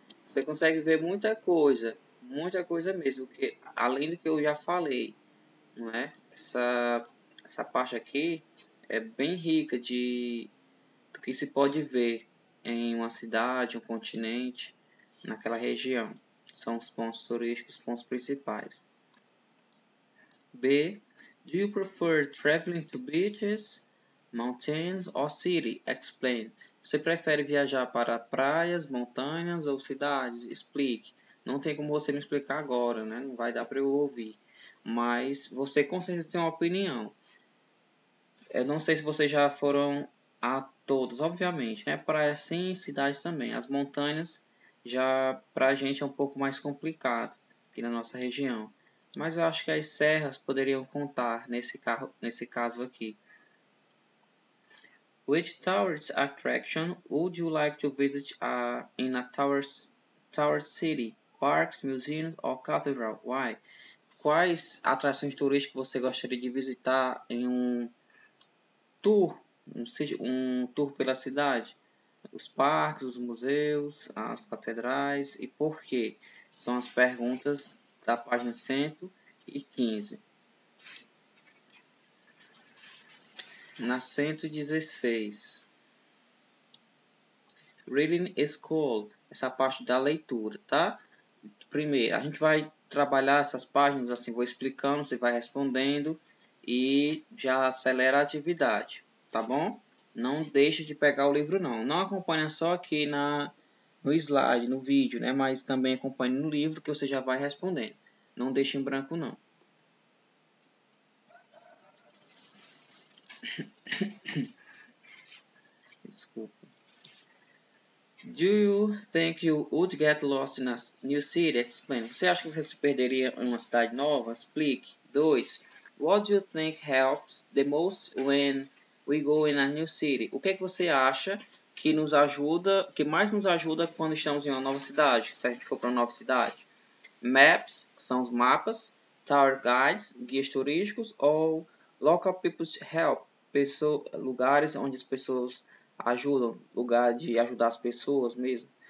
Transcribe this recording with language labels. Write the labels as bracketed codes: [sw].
[pt] Você consegue ver muita coisa mesmo, que além do que eu já falei, não é? Essa parte aqui é bem rica do que se pode ver em uma cidade, um continente, naquela região. São os pontos turísticos, os pontos principais. B. [en] Do you prefer traveling to beaches, mountains or city? Explain. [pt] Você prefere viajar para praias, montanhas ou cidades? Explique. Não tem como você me explicar agora, né? Não vai dar para eu ouvir. Mas você com certeza tem uma opinião. Eu não sei se vocês já foram a todos, obviamente, né? Praias sim, cidades também. As montanhas já para a gente é um pouco mais complicado aqui na nossa região. Mas eu acho que as serras poderiam contar nesse caso aqui. [en] Which tourist attraction would you like to visit in a tower city? Parks, museums or cathedral? Why? [pt] Quais atrações turísticas você gostaria de visitar em um tour? Um tour pela cidade? Os parques, os museus, as catedrais e por quê? São as perguntas da página 115. Na 116. [en] Reading is called. [pt] Essa parte da leitura, tá? Primeiro, a gente vai trabalhar essas páginas assim, vou explicando, você vai respondendo e já acelera a atividade, tá bom? Não deixa de pegar o livro, não. Não acompanha só aqui no slide, no vídeo, né? Mas também acompanhe no livro que você já vai respondendo. Não deixa em branco, não. [en] Do you think you would get lost in a new city? Explain. [pt] Você acha que você se perderia em uma cidade nova? Explique. Dois. [en] What do you think helps the most when we go in a new city? [pt] O que é que você acha que nos ajuda, que mais nos ajuda quando estamos em uma nova cidade, se a gente for para uma nova cidade? Maps, que são os mapas, tour guides, guias turísticos, ou [en] local people's help, [pt] lugares onde as pessoas ajudam, lugar de ajudar as pessoas mesmo.